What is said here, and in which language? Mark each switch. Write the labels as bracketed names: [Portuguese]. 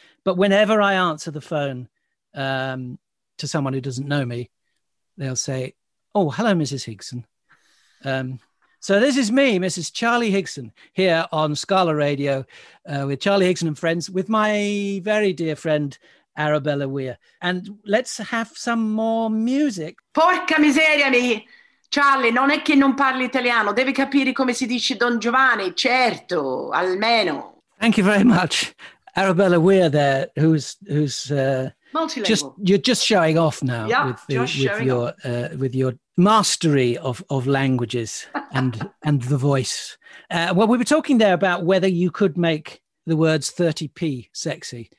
[English] But whenever I answer the phone to someone who doesn't know me, they'll say, oh, hello, Mrs. Higson. So this is me, Mrs. Charlie Higson, here on Scala Radio with Charlie Higson and Friends, with my very dear friend, Arabella Weir. And let's have some more music. [Italian] Porca miseria, me... Charlie, non è che non parli italiano, devi capire come si dice Don Giovanni, certo, almeno. [English] Thank you very much, Arabella Weir there, who's multilingual. You're just showing off now with your mastery of languages and the voice. Well, we were talking there about whether you could make the words 30p sexy.